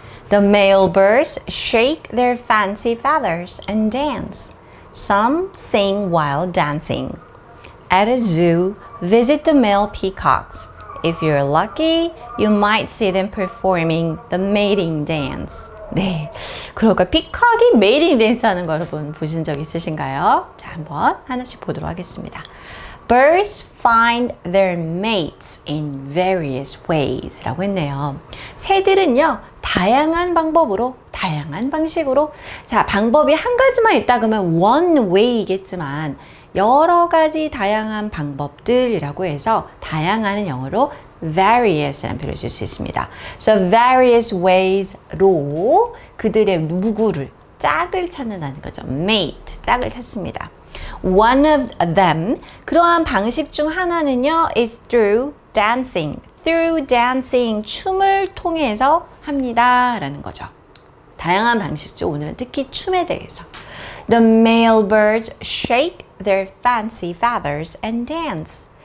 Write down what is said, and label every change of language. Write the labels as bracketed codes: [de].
[en] The male birds shake their fancy feathers and dance. Some sing while dancing. At a zoo, visit the male peacocks. If you're lucky, you might see them performing the mating dance. [ko] 네, 그러니까 피콕이 mating dance 하는 거 여러분 보신 적 있으신가요? 자, 한번 하나씩 보도록 하겠습니다. [en] Birds find their mates in various ways [ko] 라고 했네요. 새들은요, 다양한 방법으로, 다양한 방식으로, 자, 방법이 한 가지만 있다 그러면 one way겠지만 여러 가지 다양한 방법들이라고 해서 다양한 영어로 various라는 표현을 쓸 수 있습니다. [en] So various ways [ko] 로 그들의 누구를 짝을 찾는다는 거죠. [en] mate, [ko] 짝을 찾습니다. [en] One of them, [ko] 그러한 방식 중 하나는요, [en] is through dancing. Through dancing, [ko] 춤을 통해서 합니다. 라는 거죠. 다양한 방식죠. 오늘은 특히 춤에 대해서. [en] The male birds shake their fancy feathers and dance.